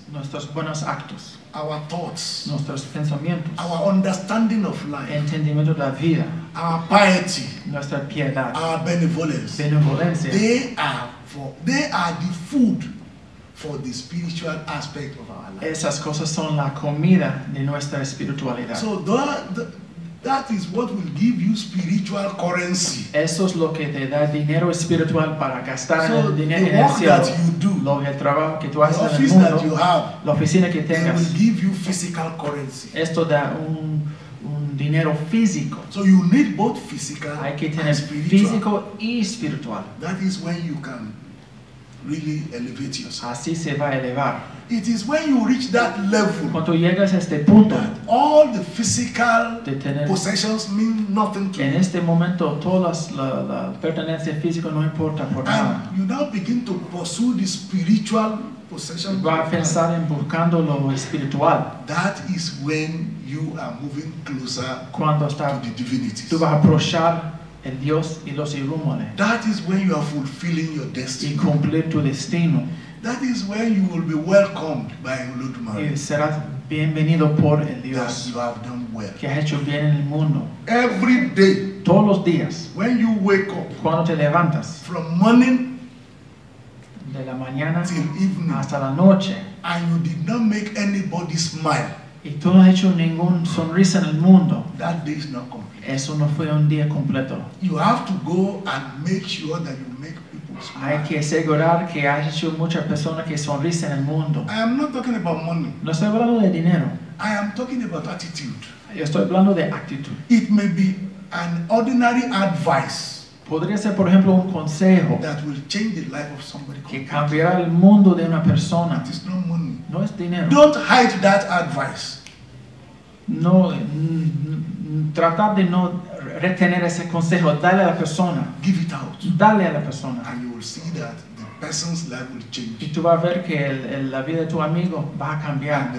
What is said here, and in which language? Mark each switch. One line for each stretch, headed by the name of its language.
Spanish: Nuestros buenos actos.
English: Our thoughts.
Spanish: Nuestros pensamientos.
English: Our understanding of life.
Spanish: Entendimiento de la vida.
English: Our piety.
Spanish: Nuestra piedad.
English: Our benevolence.
Spanish: Benevolencia.
English: They are the food for the spiritual aspect of our life.
Spanish: Esas cosas son la comida de nuestra espiritualidad.
English: So that is what will give you spiritual currency.
Spanish: Eso es lo que te da dinero espiritual para gastar
English: so
Spanish: el dinero
English: the work
Spanish: en el cielo.
English: That you do,
Spanish: lo que el trabajo que tú haces
English: the
Spanish: en el mundo,
English: that you have,
Spanish: la oficina que tengas,
English: will give you physical currency.
Spanish: Esto da un dinero físico.
English: So you need both physical
Spanish: hay que tener
English: and spiritual.
Spanish: Físico y espiritual.
English: That is when you can really elevate yourself.
Spanish: Así se va a elevar.
English: It is when you reach that level.
Spanish: Cuando llegas a este punto,
English: that all the physical possessions mean nothing to you.
Spanish: En este momento, todas la pertenencia física no importa por nada.
English: And you now begin to pursue the spiritual possession.
Spanish: Va a pensar en buscando lo espiritual.
English: That is when you are moving closer
Spanish: cuando está,
English: to the divinities.
Spanish: Tú vas a aproximar en Dios y los ilumine.
English: That is when you are fulfilling your destiny.
Spanish: Y cumplir tu destino.
English: That is when you will be welcomed by Ludmar.
Spanish: Y serás bienvenido por el Dios.
English: That you have done well.
Spanish: Que has hecho bien en el mundo.
English: Every day.
Spanish: Todos los días.
English: When you wake up.
Spanish: Cuando te levantas.
English: From morning.
Spanish: De la mañana.
English: Till evening.
Spanish: Hasta la noche.
English: And you did not make anybody smile.
Spanish: Y tú no has hecho ningún sonrisa en el mundo.
English: That day is not complete.
Spanish: Eso no fue un día completo.
English: You have to go and make sure that you make people smile.
Spanish: Hay que asegurar que has hecho muchas personas que sonrisen en el mundo.
English: I am not talking about money.
Spanish: No estoy hablando de dinero.
English: I am talking about attitude.
Spanish: Yo estoy hablando de actitud.
English: It may be an ordinary advice.
Spanish: Podría ser, por ejemplo, un consejo
English: that will change the life of somebody
Spanish: que cambiará el mundo de una persona.
English: It is not money.
Spanish: No es dinero.
English: Don't hide that advice.
Spanish: No, tratar de no retener ese consejo. Dale a la persona.
English: Give it out.
Spanish: Dale a la persona.
English: And you will see that the person's life will change.
Spanish: Y tú vas a ver que la vida de tu amigo va a cambiar.